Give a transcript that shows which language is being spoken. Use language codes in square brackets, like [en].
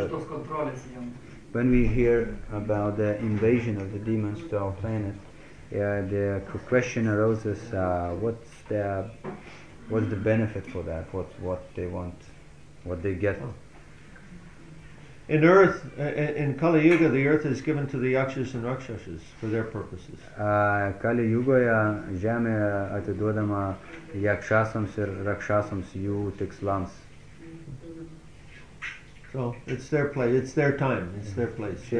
[en] When we hear about the invasion of the demons to our planet, the question arises, what's the benefit for that? What they want, what they get? In Earth, in Kali Yuga, the Earth is given to the Yakshas and Rakshasas for their purposes. [lt] Kali Yugoje žemė atiduodama Yakshasams ir Rakshasams jų tikslams. [en] So it's their place, it's their time, it's their place.